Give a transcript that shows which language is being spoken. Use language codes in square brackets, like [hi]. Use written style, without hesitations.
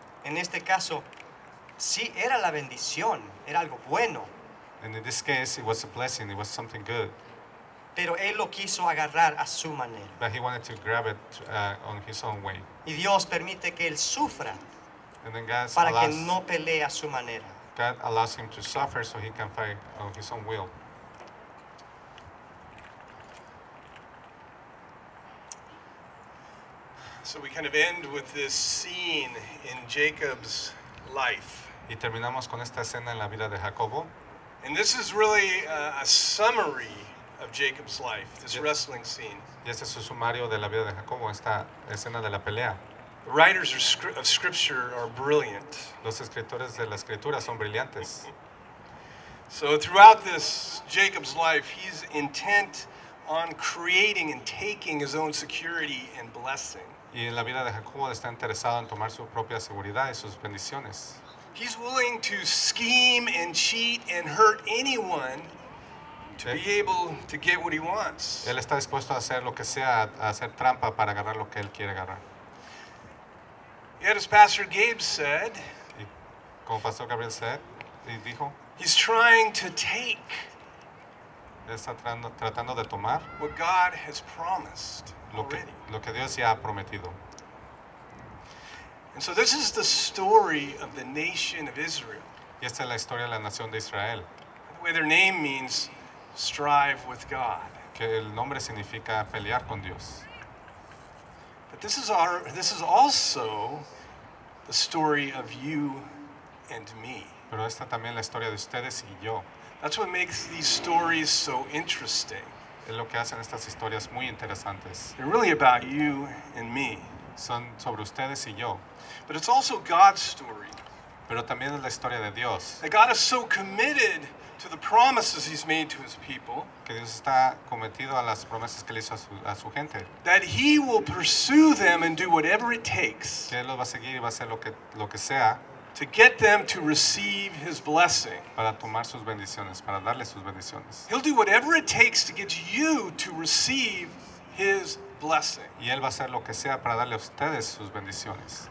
[es] En este caso, sí era la bendición, era algo bueno. [en] And in this case, it was a blessing, it was something good. [es] Pero él lo quiso agarrar a su manera. [en] But he wanted to grab it on his own way. [es] Y Dios permite que él sufra. [en] And then God [es] para [en] allows, [es] que no pelee a su manera. [en] God allows him to suffer so he can fight on his own will. So we kind of end with this scene in Jacob's life. [es] Y terminamos con esta escena en la vida de Jacobo. [en] And this is really a summary of Jacob's life, this wrestling scene. [es] Y este es un sumario de la vida de Jacobo, esta escena de la pelea. [en] The writers of Scripture are brilliant. [es] Los escritores de la escritura son brillantes. [en] So throughout this Jacob's life, he's intent on creating and taking his own security and blessing. [es] Y en la vida de Jacobo está interesado en tomar su propia seguridad y sus bendiciones. [en] He's willing to scheme and cheat and hurt anyone to be able to get what he wants. [es] Él está dispuesto a hacer lo que sea, a hacer trampa para agarrar lo que él quiere agarrar. [en] Yet as Pastor Gabe said, [es] y como Pastor Gabriel said, y dijo, [en] he's trying to take [es] tratando de tomar [en] what God has promised. [es] Lo que Dios ya ha prometido. [en] And so this is the story of the nation of Israel. [es] Y esta es la historia de la nación de Israel. [en] The way their name means strive with God. [es] Que el nombre significa pelear con Dios. [en] But this is also the story of you and me. [es] Pero esta también es la historia de ustedes y yo. [en] That's what makes these stories so interesting. [es] Es lo que hacen estas historias muy interesantes. [en] They're really about you and me. [es] Son sobre ustedes y yo. [en] But it's also God's story. [es] Pero también es la historia de Dios. [en] That God is so committed to the promises he's made to his people. [es] Que Dios está cometido a las promesas que le hizo a su gente. [en] That he will pursue them and do whatever it takes. [es] Que él los va a seguir y va a hacer lo que sea. [en] To get them to receive his blessing. [es] Para tomar sus bendiciones, para darle sus bendiciones. [en] He'll do whatever it takes to get you to receive his blessing. [es] Y él va a hacer lo que sea para darle a ustedes sus bendiciones.